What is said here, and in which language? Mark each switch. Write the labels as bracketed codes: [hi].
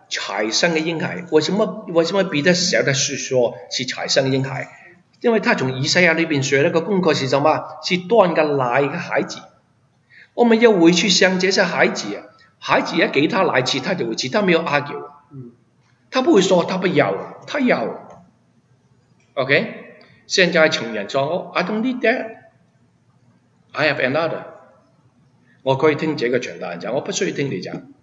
[zh] 产生的婴孩。为什么彼得写的是说是产生婴孩？因为他从以赛亚里面学了个功课是什么？是断个奶的孩子。我们要回去像这些孩子，孩子一给他奶吃，他就会吃，他没有argue，他不会说他不要，他要。 [en] OK， [zh] 现在成人说 [en] ，I don't need that。 I have another， [zh] 我可以听这个传道人讲，我不需要听你讲。